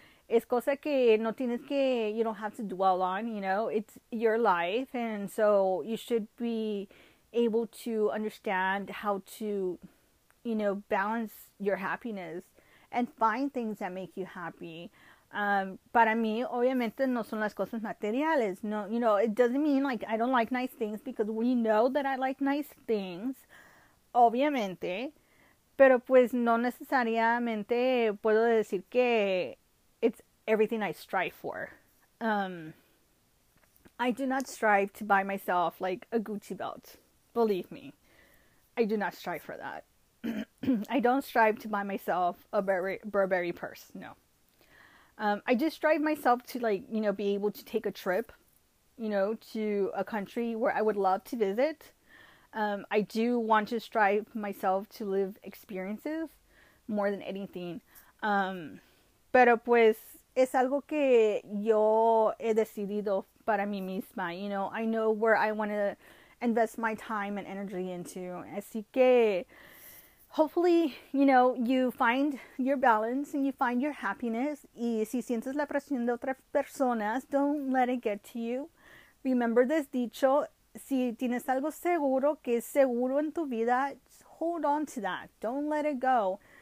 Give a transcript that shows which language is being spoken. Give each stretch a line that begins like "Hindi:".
Spanish: Es cosa que no tienes que,
English: you don't have to dwell on, you know, it's your life. And so you should be able to understand how to, you know, balance your happiness and find things that make you happy.
Spanish: Para mí, obviamente, no son las cosas materiales.
English: No, you know, it doesn't mean like I don't like nice things, because we know that I like nice things, obviamente.
Spanish: Pero pues no necesariamente puedo decir que
English: it's everything I strive for. I do not strive to buy myself like a Gucci belt. Believe me, I do not strive for that. I don't strive to buy myself a Burberry purse. No. I just strive myself to, like, you know, be able to take a trip, you know, to a country where I would love to visit. I do want to strive myself to live experiences more than anything.
Spanish: Pero pues es algo que yo he decidido para mí misma.
English: You know, I know where I want to invest my time and energy into.
Spanish: Así que
English: hopefully, you know, you find your balance and you find your happiness.
Spanish: Y si sientes la presión de otras personas,
English: don't let it get to you. Remember this dicho,
Spanish: si tienes algo seguro que es seguro en tu vida,
English: hold on to that. Don't let it go.